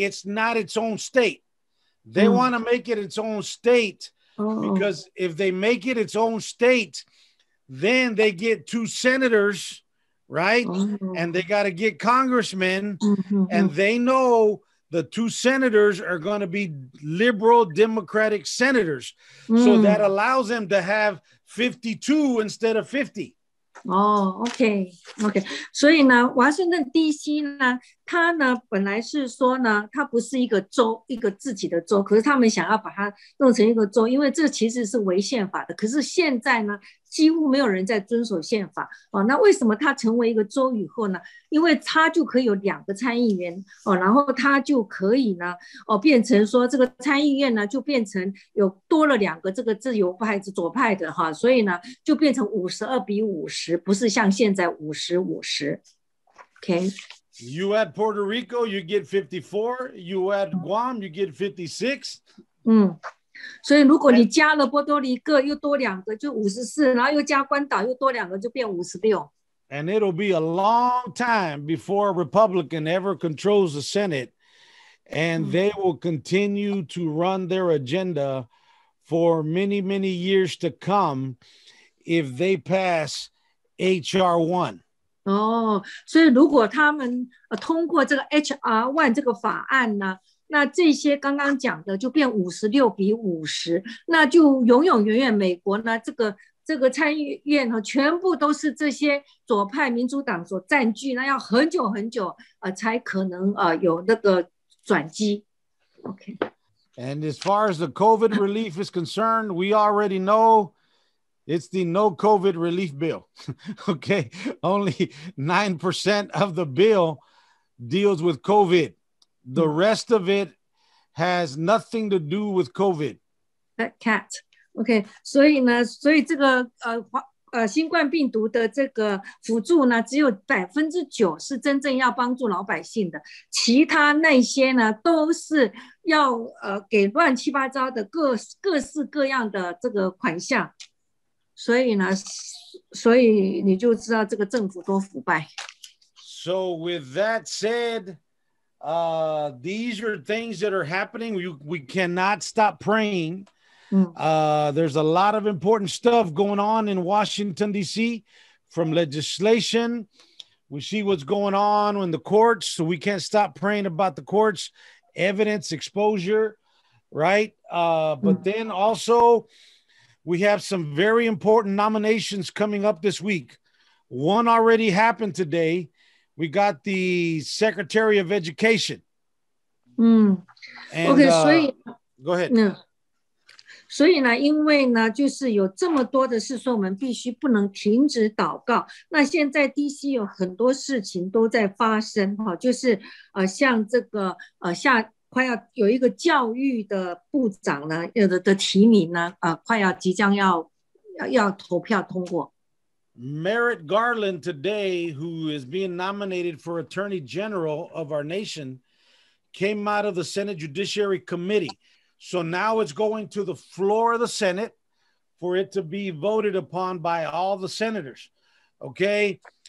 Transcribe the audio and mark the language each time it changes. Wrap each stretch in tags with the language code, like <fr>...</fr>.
<en>It's not its own state. They want to make it its own state because if they make it its own state, then they get two senators, right? And they got to get congressmen, and they know the two senators are going to be liberal Democratic senators. So that allows them to have 52 instead of 50.</en> <zh>OK, 所以呢，华盛顿 DC 呢，它呢本来是说呢，它不是一个州，一个自己的州，可是他们想要把它弄成一个州，因为这其实是违宪法的。可是现在呢，几乎没有人在遵守宪法哦。那为什么它成为一个州以后呢？因为它就可以有两个参议员哦，然后它就可以呢哦，变成说这个参议院呢就变成有多了两个这个自由派子左派的哈，所以呢就变成52-50，不是像现在50-50。</zh> <en>OK。 You add Puerto Rico, you get 54. You add Guam, you get 56.</en> <zh>所以如果你加了波多黎各又多两个就54，然后又加关岛又多两个就变56。</zh> <en>And it'll be a long time before a Republican ever controls the Senate, and they will continue to run their agenda for many, many years to come if they pass H.R. 1.</en> <zh>哦，所以如果他们通过这个 HR 1这个法案呢，那这些刚刚讲的就变56-50，那就永永远远美国呢这个参议院全部都是这些左派民主党所占据，那要很久很久才可能有那个转机。</zh> <en>OK。 And as far as the COVID relief is concerned, we already know it's the no COVID relief bill. Okay, only 9% of the bill deals with COVID. The rest of it has nothing to do with COVID. That cat.</en> <zh>Okay, 所以这个新冠病毒的这个辅助呢，只有9%是真正要帮助老百姓的，其他那些呢，都是要给乱七八糟的各式各样的这个款项，所以你就知道这个政府多腐败。</zh> <en>So with that said, these are things that are happening. We cannot stop praying. There's a lot of important stuff going on in Washington, D.C., from legislation. We see what's going on in the courts, so we can't stop praying about the courts, evidence, exposure, right? But then also, we have some very important nominations coming up this week. One already happened today. We got the Secretary of Education. Go ahead. No.</en> <zh>所以呢，因为呢，就是有这么多的事，所以我们必须不能停止祷告。那现在 DC 有很多事情都在发生，就是像这个下快要有一个教育的部长呢，的提名呢，快要即将要投票通过。</zh> <en>Merrick Garland today, who is being nominated for Attorney General of our nation, came out of the Senate Judiciary Committee. So now it's going to the floor of the Senate for it to be voted upon by all the senators. Okay.</en>